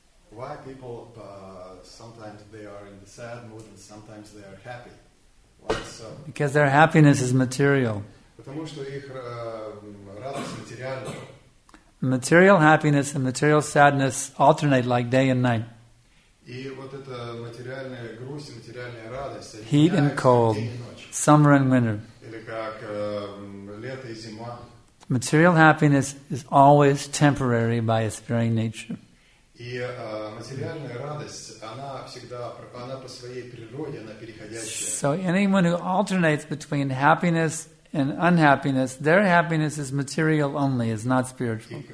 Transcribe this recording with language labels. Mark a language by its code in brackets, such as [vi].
[en] Why people sometimes they are in the sad mood and sometimes they are happy? Why so? Because their happiness is material. [ru] Потому что их радость материальна. [en] Material happiness and material sadness alternate like day and night. [ru] И вот эта материальная грусть и материальная радость. [en] Heat and cold, summer and winter. [ru] Или как лето и зима. [en] Material happiness is always temporary by its very nature. [ru] И материальная радость, она всегда, она по своей природе, она переходящая. [en] So anyone who alternates between happiness and unhappiness, their happiness is material only, it's not spiritual.